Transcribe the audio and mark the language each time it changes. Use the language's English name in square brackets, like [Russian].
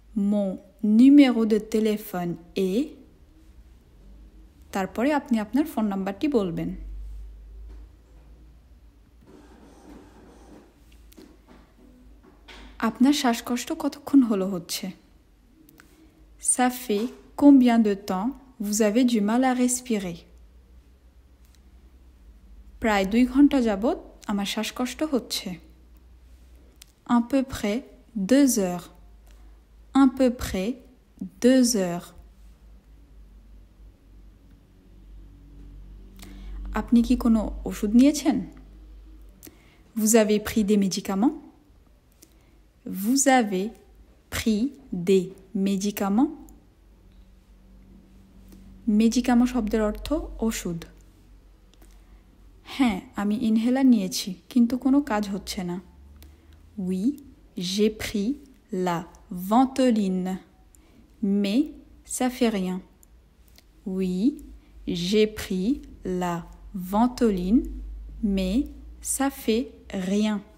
[French] মো নিমেরো দে টেলিফোন এ, [Bangla] তারপরে আপনি আপনার ফোন নাম্বারটি বলবেন। আপনার শ্বাসকষ্ট কতক্ষণ হলো হচ্ছে? [French] Ça fait combien de temps vous avez du mal à respirer? [Bangla] প্রায় 2 ঘন্টা যাবত আমার শ্বাসকষ্ট হচ্ছে। [French] À peu près 2 heures. À peu près 2 heures. [Bangla] আপনি কি কোনো ওষুধ নিয়েছেন? [French] Vous avez pris des médicaments? Vous avez pris des médicaments? [Bangla] Médicament শব্দের অর্থ ওষুধ। হ্যাঁ, আমি ইনহেলার নিয়েছি, কিন্তু কোনো কাজ হচ্ছে না। [French] Oui, j'ai pris la Ventoline, mais ça fait rien. Oui, j'ai pris la Ventoline, mais ça fait rien.